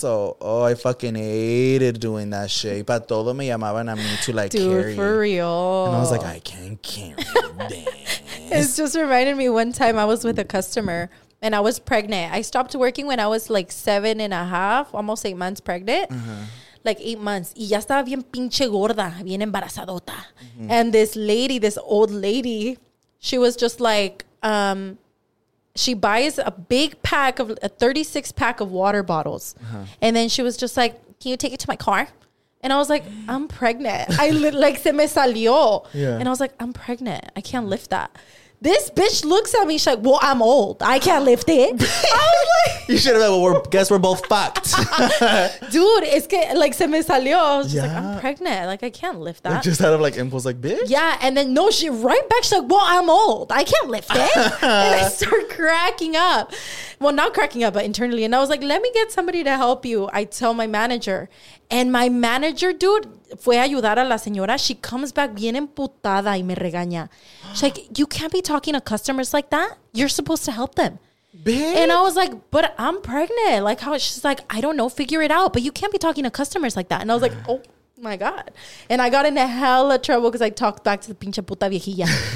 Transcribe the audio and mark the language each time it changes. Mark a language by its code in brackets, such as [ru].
[en] So, oh, I fucking hated doing that shit. [es] Pa todo me llamaban a mí [en] to like carry. Dude, for real. And I was like, I can't carry this. It just reminded me one time I was with a customer. And I was pregnant. I stopped working when I was like 7 and a half, almost 8 months pregnant. Uh-huh. Like 8 months. [es] Y ya estaba bien pinche gorda, bien embarazadota. [en] And this lady, this old lady, she was just like, she buys a big pack of, a 36 pack of water bottles. And then she was just like, can you take it to my car? And I was like, I'm pregnant. [es] se me salió. [en] Yeah. And I was like, I'm pregnant. I can't lift that. This bitch looks at me, she's like, well, I'm old. I can't lift it. I was like, you should have been like, well, guess we're both fucked. Dude, it's [es] que, like, se me salió. [en] I was just like, I'm pregnant. Like, I can't lift that. Like, just out of like impulse, like, bitch? Yeah. And then, no, she right back, she's like, well, I'm old. I can't lift it. And I start cracking up. Well, not cracking up, but internally. And I was like, let me get somebody to help you. I tell my manager. And my manager, dude, [es] fue a ayudar a la señora. [en] She comes back [es] bien emputada y me regaña. [en] She's like, you can't be talking to customers like that. You're supposed to help them. Bitch. And I was like, but I'm pregnant. Like, how? She's like, I don't know. Figure it out. But you can't be talking to customers like that. And I was like, oh, my God. And I got into hella trouble because I talked back to the [es] pinche puta viejilla.